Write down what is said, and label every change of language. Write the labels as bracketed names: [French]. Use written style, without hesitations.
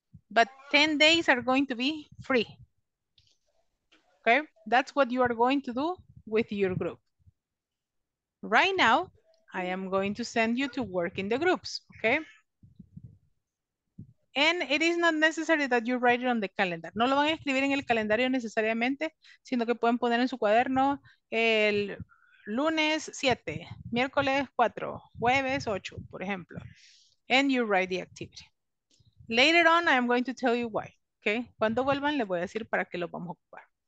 [English] But 10 days are going to be free. Okay? That's what you are going to do with your group. Right now, I am going to send you to work in the groups. Okay? And it is not necessary that you write it on the calendar. [Spanish] No lo van a escribir en el calendario necesariamente, sino que pueden poner en su cuaderno el lunes 7, miércoles 4, jueves 8, por ejemplo. [English] And you write the activity. Later on, I am going to tell you why. Okay? [Spanish] Cuando vuelvan, les voy a decir para qué lo vamos a ocupar.